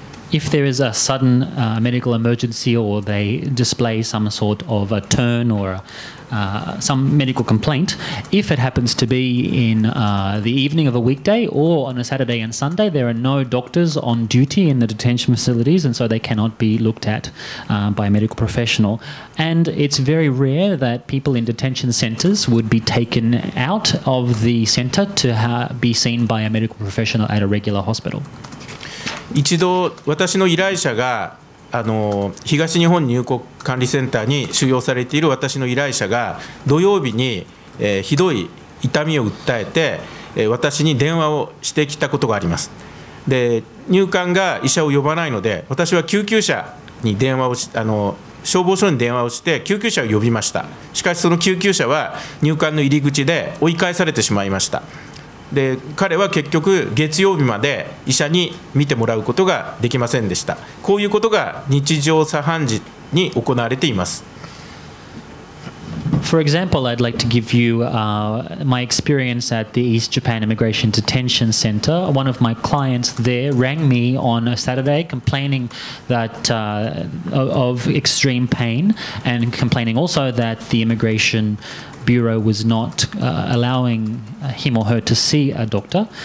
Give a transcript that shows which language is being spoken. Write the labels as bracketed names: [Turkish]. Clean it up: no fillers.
[English] If there is a sudden medical emergency or they display some sort of a turn or some medical complaint, if it happens to be in the evening of a weekday or on a Saturday and Sunday, there are no doctors on duty in the detention facilities and so they cannot be looked at by a medical professional. And it's very rare that people in detention centres would be taken out of the centre to be seen by a medical professional at a regular hospital. [Japanese] 一度私の依頼者が東日本入国管理センターに収容されている私の依頼者が土曜日に、ひどい痛みを訴えて、私に電話をしてきたことがあります。で、入管が医者を呼ばないので私は救急車に電話をし消防署に電話をして救急車を呼びました。しかしその救急車は入管の入り口で追い返されてしまいました。で、彼は結局月曜日まで医者に診てもらうことができませんでした。こういうことが日常茶飯事に行われています。 [English] For example, I'd like to give you my experience at the East Japan Immigration Detention Center. One of my clients there rang me on a Saturday complaining that of extreme pain and complaining also that the immigration bureau was not allowing him or her to see a doctor.